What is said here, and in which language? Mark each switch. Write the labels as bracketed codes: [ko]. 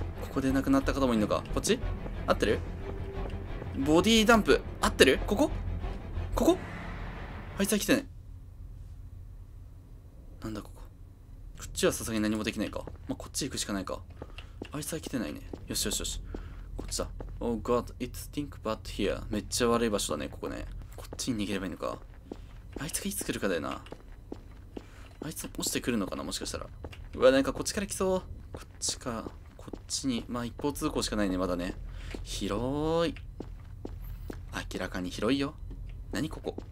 [ja] ここで亡くなった方もいるのか。こっち合ってる？ボディーダンプ。合ってる？ここ？ここ？あいつは来てない。なんだここ。こっちはさすがに何もできないか。まあ、こっち行くしかないか。あいつは来てないね。よしよしよし。こっちだ。 [en] Oh god, it's stink bad here. [ja] めっちゃ悪い場所だね、ここね。こっちに逃げればいいのか。あいつがいつ来るかだよな。あいつ落ちてくるのかな、もしかしたら。うわ、なんかこっちから来そう。こっちか。こっちに。まあ、一方通行しかないね、まだね。広ーい。明らかに広いよ。何ここ。